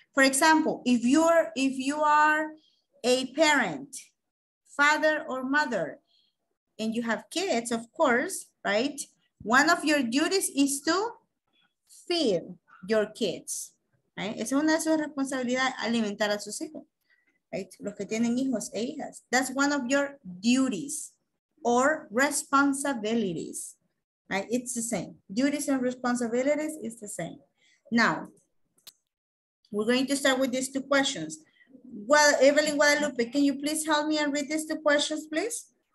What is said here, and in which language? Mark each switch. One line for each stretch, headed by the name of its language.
English: For example, if you are a parent, father or mother, and you have kids, of course, right? One of your duties is to feed your kids, right?
Spanish: Es una de sus responsabilidades alimentar a sus hijos, right? Los que tienen hijos e hijas.
English: That's one of your duties or responsibilities, right? It's the same. Duties and responsibilities is the same. Now, we're going to start with these two questions. Well, Evelyn Guadalupe, can you please help me and read these two questions, please?